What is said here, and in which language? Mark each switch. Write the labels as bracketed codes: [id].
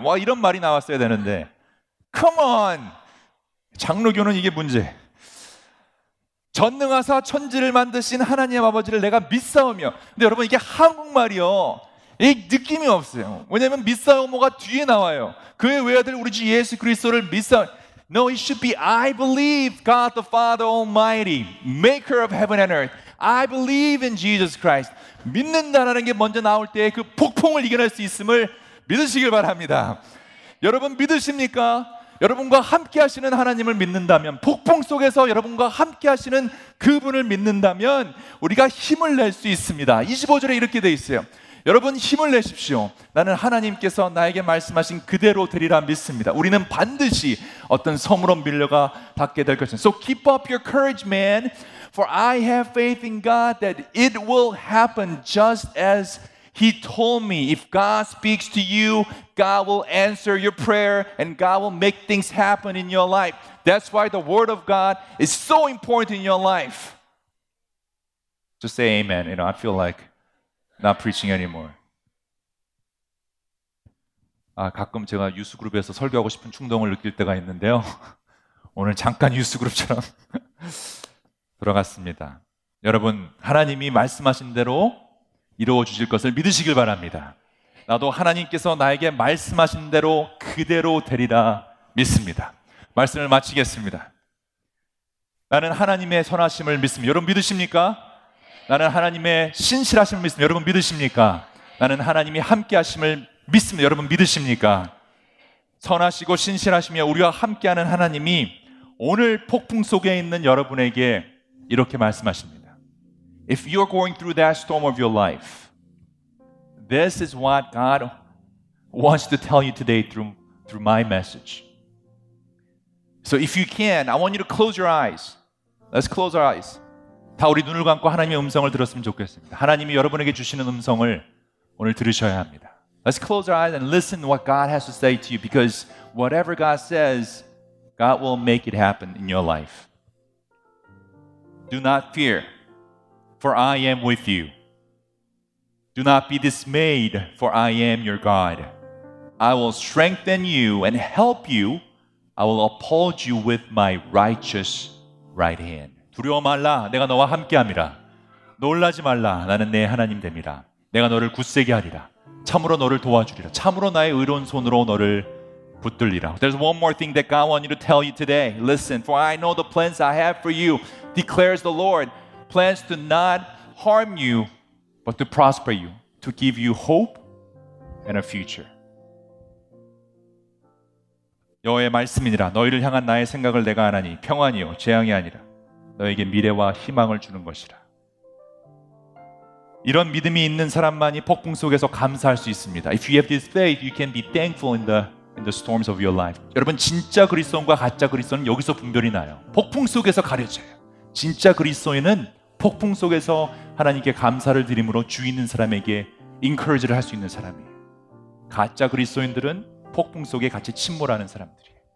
[ko] 와, 이런 말이 나왔어야 되는데. [en] Come on! [ko] 장로교는 이게 문제. 전능하사 천지를 만드신 하나님 아버지를 내가 믿사오며. 근데 여러분 이게 한국말이요. 이 느낌이 없어요. 왜냐면 믿사오모가 뒤에 나와요. 그의 외아들 우리 주 예수 그리스도를 믿사오. [en] No, it should be I believe God the Father Almighty, maker of heaven and earth. I believe in Jesus Christ. [ko] 믿는다라는 게 먼저 나올 때 그 폭풍을 이겨낼 수 있음을 믿으시길 바랍니다. 여러분 믿으십니까? 여러분과 함께 하시는 하나님을 믿는다면, 폭풍 속에서 여러분과 함께 하시는 그분을 믿는다면 우리가 힘을 낼 수 있습니다. 25절에 이렇게 돼 있어요. 여러분 힘을 내십시오. 나는 하나님께서 나에게 말씀하신 그대로 되리라 믿습니다. 우리는 반드시 어떤 섬으로 밀려가 받게 될 것입니다. [en] So keep up your courage, man. For I have faith in God that it will happen just as He told me. If God speaks to you, God will answer your prayer and God will make things happen in your life. That's why the word of God is so important in your life. Just say amen. You know, I feel like not preaching anymore. [ko] 아, 가끔 제가 유스그룹에서 설교하고 싶은 충동을 느낄 때가 있는데요. 오늘 잠깐 유스그룹처럼 돌아갔습니다. 여러분, 하나님이 말씀하신 대로 이루어 주실 것을 믿으시길 바랍니다. 나도 하나님께서 나에게 말씀하신 대로 그대로 되리라 믿습니다. 말씀을 마치겠습니다. 나는 하나님의 선하심을 믿습니다. 여러분 믿으십니까? 나는 하나님의 신실하심을 믿습니다. 여러분 믿으십니까? 나는 하나님이 함께 하심을 믿습니다. 여러분 믿으십니까? 선하시고 신실하시며 우리와 함께하는 하나님이 오늘 폭풍 속에 있는 여러분에게 이렇게 말씀하십니다. [en] If you're going through that storm of your life, this is what God wants to tell you today through my message. So if you can, I want you to close your eyes. Let's close our eyes. [ko] 다 우리 눈을 감고 하나님의 음성을 들었으면 좋겠습니다. 하나님이 여러분에게 주시는 음성을 오늘 들으셔야 합니다. [en] Let's close our eyes and listen what God has to say to you because whatever God says, God will make it happen in your life. Do not fear, for I am with you. Do not be dismayed, for I am your God. I will strengthen you and help you. I will uphold you with my righteous right hand. [ko] 두려워 말라, 내가 너와 함께함이라. 놀라지 말라, 나는 네 하나님 됨이라. 내가 너를 굳세게 하리라. 참으로 너를 도와주리라. 참으로 나의 의로운 손으로 너를 붙들리라. [en] There's one more thing that God wants you to tell you today. Listen, for I know the plans I have for you, declares the Lord. Plans to not harm you, but to prosper you, to give you hope and a future. [ko] 여호와의 말씀이니라. 너희를 향한 나의 생각을 내가 아나니 평안이요 재앙이 아니라 너에게 미래와 희망을 주는 것이라. 이런 믿음이 있는 사람만이 폭풍 속에서 감사할 수 있습니다. [en] If you have this faith, you can be thankful in the storms of your life. [ko] 여러분 진짜 그리스도인과 가짜 그리스도인은 여기서 분별이 나요. 폭풍 속에서 가려져요. 진짜 그리스도인은 폭풍 속에서 하나님께 감사를 드림으로 주 있는 사람에게 encourage를 할 수 있는 사람이에요. 가짜 그리스도인들은 폭풍 속에 같이 침몰하는 사람들이에요.